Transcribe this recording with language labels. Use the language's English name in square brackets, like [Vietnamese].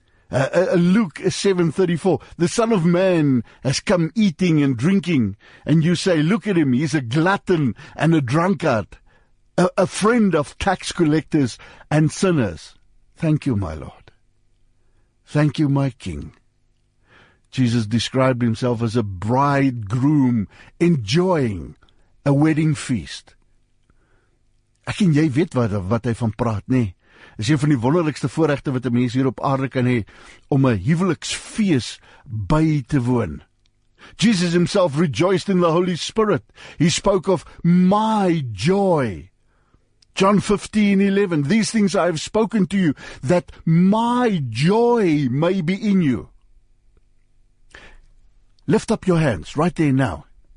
[English] Luke 7:34, the Son of Man has come eating and drinking, and you say, "Look at him, he's a glutton and a drunkard, a friend of tax collectors and sinners." Thank you, my Lord. Thank you, my King. Jesus described himself as a bridegroom enjoying a wedding feast. [Afrikaans] Ek en jy weet wat hy van praat, nee? Is een van die wonderlikste voorregte wat 'n mens hier op aarde kan hê om 'n huweliksfees by te woon. [English] Jesus himself rejoiced in the Holy Spirit. He spoke of my joy. John 15:11. These things I have spoken to you that my joy may be in you. Lift up your hands right there now.